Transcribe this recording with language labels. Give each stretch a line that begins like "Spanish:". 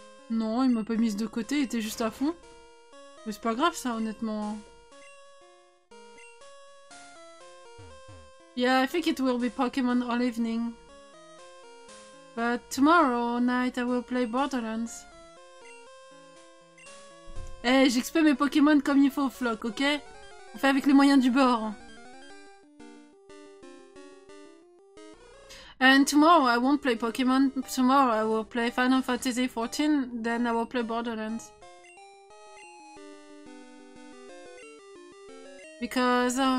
French: Non, il m'a pas mise de côté, il était juste à fond. Mais c'est pas grave ça, honnêtement.
English: Yeah, I think it will be Pokémon all evening. But tomorrow night I will play Borderlands.
French: Hey, j'exploite mes Pokémon comme il faut, Flock, ok? On fait avec les moyens du bord.
English: And tomorrow I won't play Pokémon. Tomorrow I will play Final Fantasy XIV, then I will play Borderlands. Because.